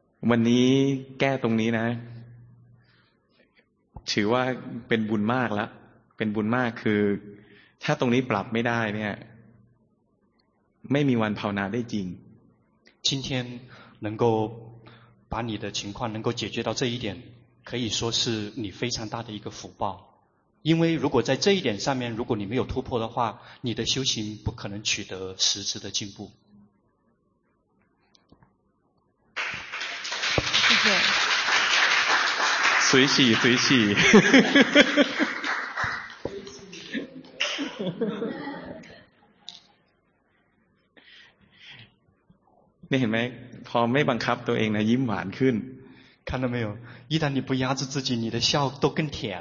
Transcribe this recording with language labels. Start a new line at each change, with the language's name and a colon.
Thai: วันนี้แก้ตรงนี้นะถือว่าเป็นบุญมากแล้วเป็นบุญมากคือถ้าตรงนี้ปรับไม่ได้เนี่ยไม่มีวันภาวนาได้จริง
Chinese: 今天能够把你的情况能够解决到这一点可以说是你非常大的一个福报因为如果在这一点上面如果你没有突破的话你的修行不可能取得实质的进步谢谢随喜随喜
Thai: นี่เห็นไหมพอไม่บังคับตัวเองนะยิ้มหวานขึ้น
Chinese: 看到没有一旦你不压制自己你的笑都更甜